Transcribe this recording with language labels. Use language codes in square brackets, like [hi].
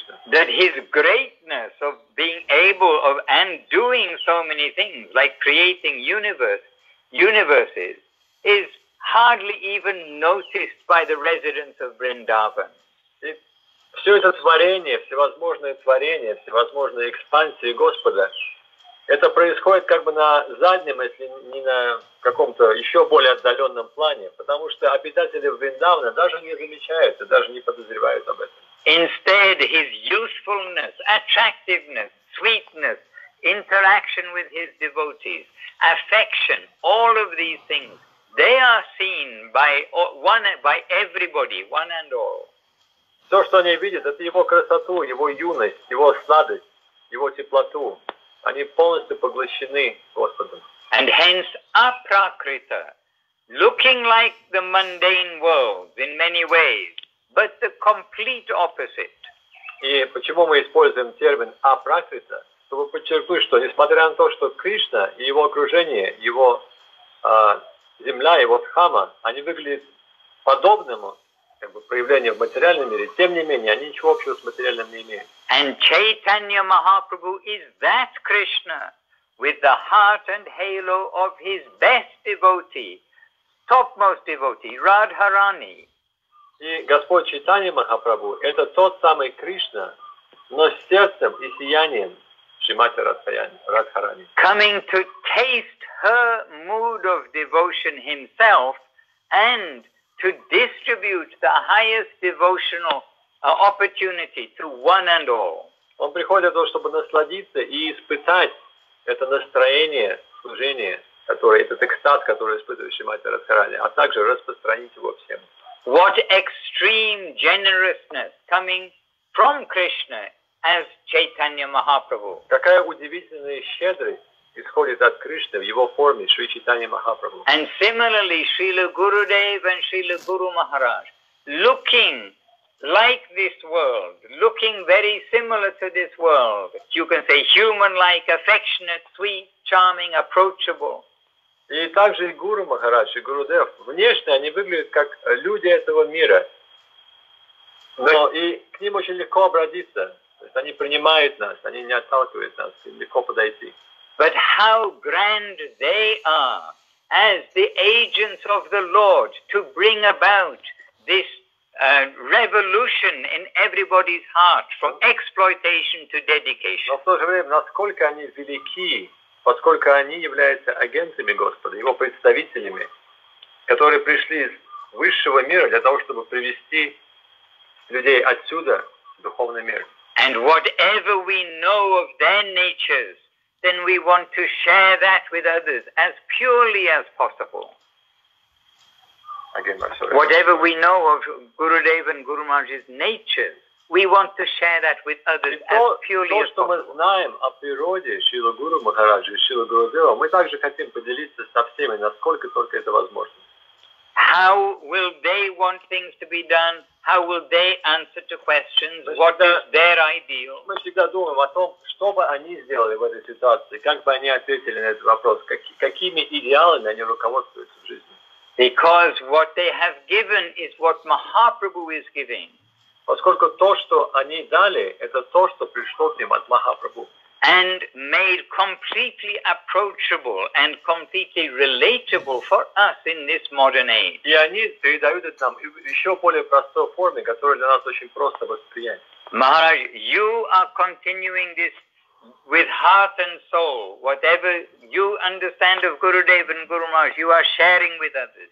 [en] That his greatness of being able of and doing so many things, like creating universes, is hardly even noticed by the residents of Vrindavan. [ru] Все это творение, всевозможные творения, всевозможные экспансии Господа, это происходит как бы на заднем, если не на каком-то еще более отдаленном плане, потому что обитатели Вриндавана даже не замечают и даже не подозревают об этом. [en] Instead, his usefulness, attractiveness, sweetness, interaction with his devotees, affection, all of these things, they are seen by everybody, one and all. [ru] Все, что они видят, это его красоту, его юность, его сладость, его теплоту. Они полностью поглощены Господом. [en] And hence, Apakrita, looking like the mundane world in many ways, but the complete opposite. [ru] И почему мы используем термин Апракрита? Чтобы подчеркнуть, что несмотря на то, что Кришна и его окружение, его земля, его дхама, они выглядят подобному как бы, проявлению в материальном мире, тем не менее, они ничего общего с материальным не имеют. [en] And Chaitanya Mahaprabhu is that Krishna with the heart and halo of his best devotee, topmost devotee, Radharani. [ru] И Господь Чайтанья Махапрабху – это тот самый Кришна, но с сердцем и сиянием Шримати Радхарани. [en] Coming to taste her mood of devotion himself and to distribute the highest devotional opportunity to one and all. [ru] Он приходит для того, чтобы насладиться и испытать это настроение служения, этот экстаз, который испытывает Шримати Радхарани, а также распространить его всем. [en] What extreme generousness coming from Krishna as Chaitanya Mahaprabhu. [ru] Какая удивительная щедрость исходит от Кришны в его форме Шри Чайтанья Махапрабху. [en] And similarly, Шрила Гурудев and Шрила Гуру Махарадж, looking like this world, looking very similar to this world, you can say human-like, affectionate, sweet, charming, approachable. [ru] И также и Гуру Махарадж, и Гуру Дев. Внешне они выглядят как люди этого мира. Но и к ним очень легко обратиться. То есть они принимают нас, они не отталкивают нас, им легко подойти. [en] But how grand they are as the agents of the Lord to bring about this revolution in everybody's heart from exploitation to dedication. [ru] Но в то же время, насколько они велики поскольку они являются агентами Господа, Его представителями, которые пришли из высшего мира для того, чтобы привести людей отсюда в духовный мир. [en] And whatever we know of their natures, then we want to share that with others as purely as possible. Again, whatever we know of Gurudev and Guru Maharaj's natures, we want to share that with others as purely as possible. [ru] То, что мы знаем о природе Шрилы Гуру Махараджа и Шрилы Гурудева, мы также хотим поделиться со всеми, насколько только это возможно. [en] How will they want things to be done? How will they answer to questions? What is their ideal? [ru] Мы всегда думаем о том, что бы они сделали в этой ситуации, как бы они ответили на этот вопрос, какими идеалами они руководствуются в жизни. [en] Because what they have given is what Mahaprabhu is giving. [ru] Поскольку то, что они дали, это то, что пришло к ним от Махапрабху. [en] And made completely approachable and completely relatable for us in this modern age. [ru] И они передают это нам в еще более простой форме, которая для нас очень просто восприятие. [en] Maharaj, you are continuing this with heart and soul. Whatever you understand of Gurudev and Guru Maharaj, you are sharing with others.